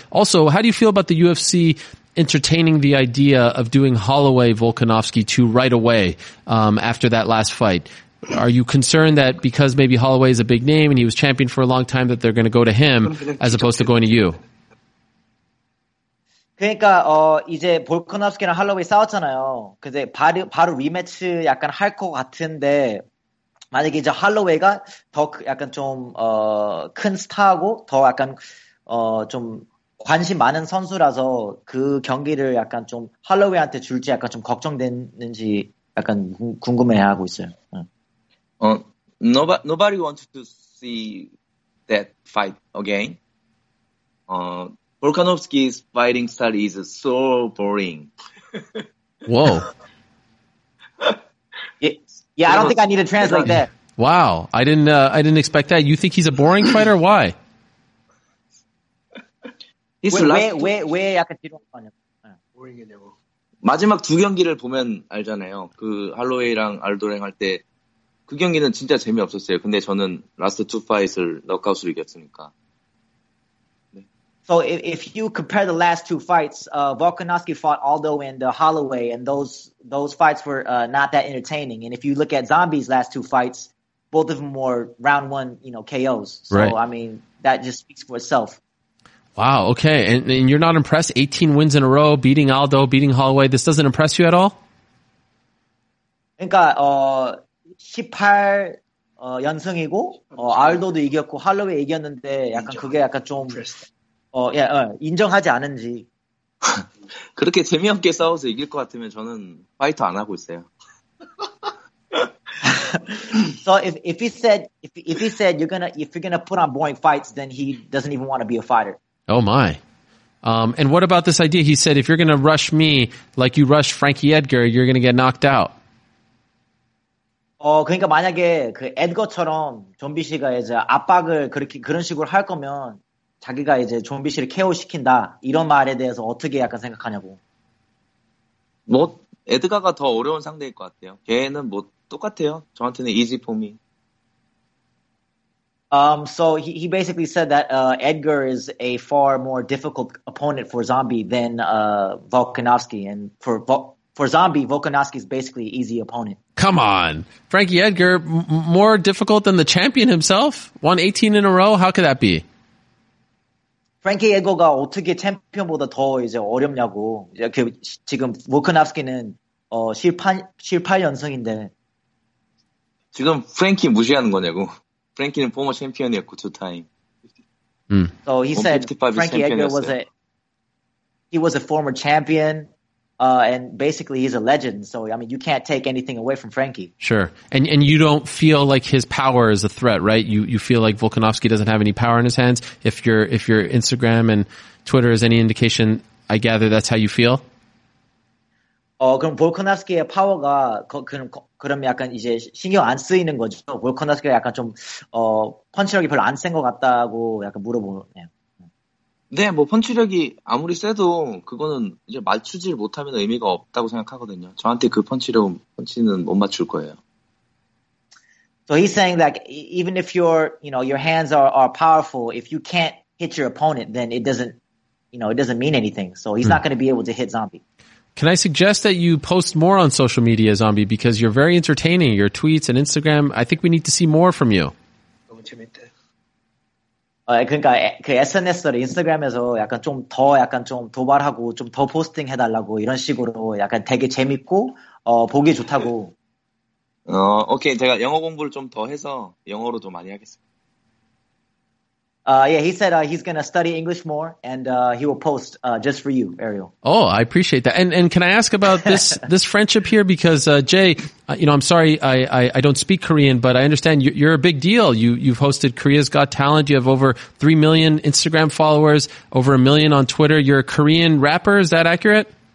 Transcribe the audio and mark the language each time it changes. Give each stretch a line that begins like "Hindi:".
English: Also, how do you feel about the UFC entertaining the idea of doing Holloway Volkanovski 2 right away after that last fight? Are you concerned that because maybe Holloway is a big name and he was champion for a long time that they're going to go to him as opposed to going to you?
Korean: 그러니까 이제 볼코노프스키랑 할로웨이 싸웠잖아요. 근데 바로 리매치 약간 할 것 같은데 만약에 이제 할로웨이가 더 약간 좀 큰 스타고 더 약간 좀 관심 많은 선수라서 그 경기를 약간 좀 할로웨이한테 줄지 약간 좀 걱정되는지 약간 궁금해하고 있어요.
English: 응. Nobody wants to see that fight again. Volkanovski's fighting style is so boring. Whoa. Yeah, I don't think I need to translate that. Wow, I didn't expect that. You think he's a boring fighter? Why? He's where
Korean: 약간 뒤로 가냐? Boring이 되고. 마지막 두 경기를 보면 알잖아요. 그 할로웨이랑 알도랭 할 때 그 경기는 진짜 재미없었어요. 근데 저는 라스트 투 파이트를 넉아웃으로 이겼으니까.
English: So if you compare the last two fights, Volkanovski fought Aldo and Holloway, and those fights were not that entertaining. And if you look at Zombie's last two fights, both of them were round one, you know, KOs. So, right. I mean, that just speaks for itself. Wow, okay. And you're not impressed? 18 wins in a row, beating Aldo, beating Holloway. This doesn't impress you at all?
Korean: 그러니까 18 연승이고, Aldo도 이겼고, Holloway 이겼는데 약간 그게 약간 좀... 인정하지 않은지. 그렇게 재미없게 싸워서 이길 것 같으면 저는 파이트 안 하고 있어요.
English: So if he said if you're gonna put on boring fights, then he doesn't even want to be a fighter. Oh my. And what about this idea? He said if you're gonna rush me like you rush Frankie Edgar, you're gonna get knocked out.
Korean: 그러니까 만약에 그 에드거처럼 좀비 씨가 이제 압박을 그렇게 그런 식으로 할 거면. 자기가 이제 좀비 씨를 KO 시킨다 이런 말에 대해서 어떻게 약간 생각하냐고. 뭐 에드가가 더 어려운 상대일 것 같아요. 걔는 뭐 똑같아요. 저한테는
English: easy for me. So he basically said that Edgar is a far more difficult opponent for Zombie than Volkanovski, and for Zombie, Volkanovski is basically easy opponent. Come on, Frankie Edgar, more difficult than the champion himself? Won 18 in a row? How could that be?
Korean: 프랭키 에고가 어떻게 챔피언보다 더 이제 어렵냐고. 이렇게 지금 워크나프스키는 7-8연승인데. 지금 프랭키 무시하는 거냐고. 프랭키는 포머 챔피언이었고 두 타임.
English: So he said Frankie Edgar was a former champion and basically he's a legend. So I mean you can't take anything away from Frankie. Sure. And you don't feel like his power is a threat, right? You feel like Volkanovski doesn't have any power in his hands. If your Instagram and Twitter is any indication, I gather that's how you feel.
Korean: 그럼 Volkanovski의 파워가 그럼 약간 이제 신경 안 쓰이는 거죠. Volkanovski가 약간 좀 펀치력이 별로 안 센 것 같다고 약간 물어보네요. 네, 뭐 펀치력이 아무리 세도 그거는 이제 맞추질 못하면 의미가 없다고 생각하거든요. 저한테 그 펀치는 못 맞출 거예요.
English: So he's saying that even if your, you know, your hands are powerful, if you can't hit your opponent, then it doesn't, you know, it doesn't mean anything. So he's not going to be able to hit Zombie. Can I suggest that you post more on social media, Zombie, because you're very entertaining. Your tweets and Instagram, I think we need to see more from you.
Korean: 너무 재밌대. 그러니까 그 SNS를 인스타그램에서 약간 좀 더 약간 좀 도발하고 좀 더 포스팅 해달라고 이런 식으로 약간 되게 재밌고 보기 좋다고. 오케이, 제가 영어 공부를 좀 더 해서 영어로 좀 많이 하겠습니다.
English: Yeah, he said he's gonna study English more and he will post just for you, Ariel. Oh, I appreciate that. And can I ask about this friendship here? Because Jay, you know, I'm sorry, I don't speak Korean, but I understand you're a big deal. You've hosted Korea's Got Talent. You have over 3 million Instagram followers, over 1 million on Twitter. You're a Korean rapper. Is that accurate?